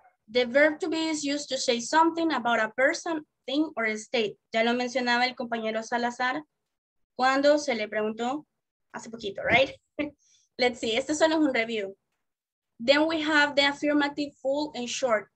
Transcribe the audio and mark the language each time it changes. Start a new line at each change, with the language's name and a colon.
English: The verb to be is used to say something about a person, thing, or a state.
Spanish: Ya lo mencionaba el compañero Salazar cuando se le preguntó hace poquito, right?
English: Let's see,
Spanish: este solo es un review.
English: Then we have the affirmative, full, and short.